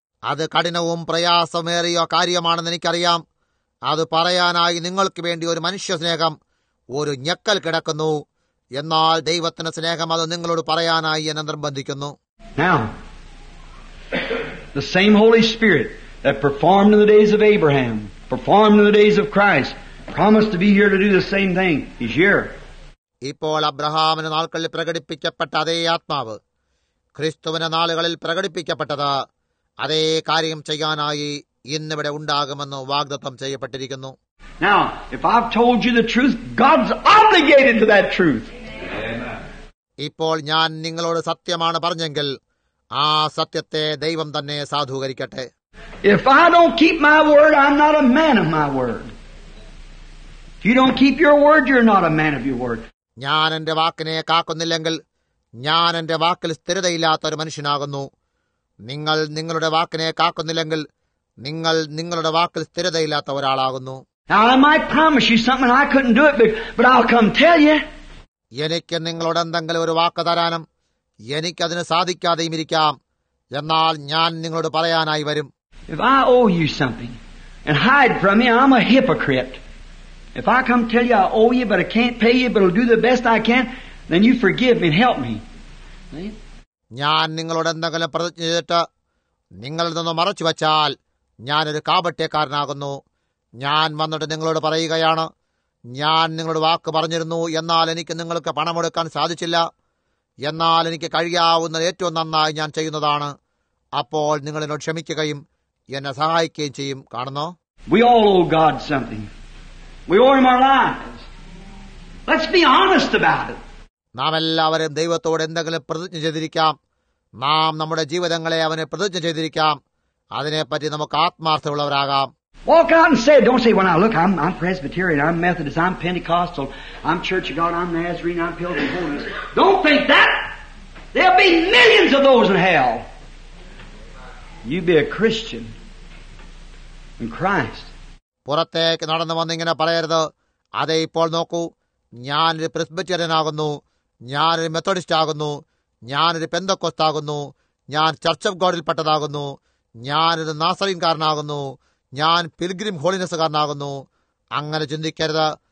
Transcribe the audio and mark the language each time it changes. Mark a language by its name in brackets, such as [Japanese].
[Malayalam] അത് കഠിനവും പ്രയാസമേറിയ കാര്യമാണെന്ന് എനിക്കറിയാം. അത് പറയാനായി നിങ്ങൾക്ക് വേണ്ടി ഒരു മനുഷ്യ സ്നേഹം ഒരു ഞെക്കൽ കിടക്കുന്നു. എന്നാൽ ദൈവത്തിന്റെ സ്നേഹം അത് നിങ്ങളോട് പറയാനായി എന്നെ നിർബന്ധിക്കുന്നു. [English] The same Holy Spirit that performed in the days of Abraham, performed in the days of Christ, promised to be here to do the same thing. He's here. [Malayalam] ഇപ്പോൾ അബ്രഹാമിന്റെ നാളുകളിൽ പ്രകടിപ്പിക്കപ്പെട്ട അതേ ആത്മാവ് ക്രിസ്തുവിന്റെ നാളുകളിൽ പ്രകടിപ്പിക്കപ്പെട്ടത് അതേ കാര്യം ചെയ്യാനായി ഇന്നിവിടെ ഉണ്ടാകുമെന്ന് വാഗ്ദത്തം ചെയ്യപ്പെട്ടിരിക്കുന്നു. [English] Now, if I've told you the truth, God's obligated to that truth. [Malayalam] ഇപ്പോൾ ഞാൻ നിങ്ങളോട് സത്യമാണ് പറഞ്ഞെങ്കിൽ ആ സത്യത്തെ ദൈവം തന്നെ സാധൂകരിക്കട്ടെ. [English] If I don't keep my word, I'm not a man of my word. If you don't keep your word, you're not a man of your word. [Malayalam] ഞാൻ എന്റെ വാക്കിനെ കാക്കുന്നില്ലെങ്കിൽ ഞാൻ എന്റെ വാക്കിൽ സ്ഥിരതയില്ലാത്ത ഒരു മനുഷ്യനാകുന്നു. നിങ്ങൾ നിങ്ങളുടെ വാക്കിനെ കാക്കുന്നില്ലെങ്കിൽ നിങ്ങൾ നിങ്ങളുടെ വാക്കിൽ സ്ഥിരതയില്ലാത്ത ഒരാളാകുന്നു. [English] Now, I might promise you something I couldn't do it, but I'll come tell you. [Malayalam] എനിക്ക് നിങ്ങളോട് എന്തെങ്കിലും ഒരു വാക്ക് തരാനും എനിക്കതിന് സാധിക്കാതെയും ഇരിക്കാം. എന്നാൽ ഞാൻ നിങ്ങളോട് പറയാനായി വരും. [English] If I owe you something and hide from me, I'm a hypocrite. If I come tell you I owe you but I can't pay you but I'll do the best I can, then you forgive me and help me. [Malayalam] ഞാൻ നിങ്ങളോട് എന്തെങ്കിലും പ്രതിജ്ഞ ചെയ്തിട്ട് നിങ്ങളിൽ നിന്ന് മറച്ചു വച്ചാൽ ഞാനൊരു കാപട്യക്കാരനാകുന്നു. ഞാൻ വന്നിട്ട് നിങ്ങളോട് പറയുകയാണ്, ഞാൻ നിങ്ങളോട് വാക്ക് പറഞ്ഞിരുന്നു, എന്നാൽ എനിക്ക് നിങ്ങൾക്ക് പണമെടുക്കാൻ സാധിച്ചില്ല. എന്നാൽ എനിക്ക് കഴിയാവുന്ന ഏറ്റവും നന്നായി ഞാൻ ചെയ്യുന്നതാണ്. അപ്പോൾ നിങ്ങൾ എന്നോട് ക്ഷമിക്കുകയും എന്നെ സഹായിക്കുകയും ചെയ്യും. കാണുന്നോ? [English] We all owe God something. We owe him our lives. Let's be honest about it. [Malayalam] നാം എല്ലാവരും ദൈവത്തോട് എന്തെങ്കിലും പ്രതിജ്ഞ ചെയ്തിരിക്കാം. നാം നമ്മുടെ ജീവിതങ്ങളെ അവനെ പ്രതിജ്ഞ ചെയ്തിരിക്കാം. അതിനെപ്പറ്റി നമുക്ക് ആത്മാർത്ഥമുള്ളവരാകാം. [English] Walk out and say, don't say, well, now, look, I'm Presbyterian, I'm Methodist, I'm Pentecostal, I'm Church of God, I'm Nazarene, I'm Pilgrim of Holiness. Don't think that. There'll be millions of those in hell. You be a Christian in Christ. [Malayalam] പുറത്തേക്ക് നടന്നു വന്നിങ്ങനെ പറയരുത്, അതേ ഇപ്പോൾ നോക്കൂ, ഞാനൊരു പ്രസ്ബിറ്റേറിയനാകുന്നു, ഞാനൊരു Methodist ആകുന്നു, ഞാനൊരു പെന്തക്കോസ്റ്റ് ആകുന്നു, ഞാൻ ചർച്ച് ഓഫ് ഗോഡിൽ പെട്ടതാകുന്നു, ഞാനൊരു നാസറീൻകാരനാകുന്നു, ഞാൻ പിൽഗ്രിം ഹോളിനെസ്സുകാരനാകുന്നു. അങ്ങനെ ചിന്തിക്കരുത്.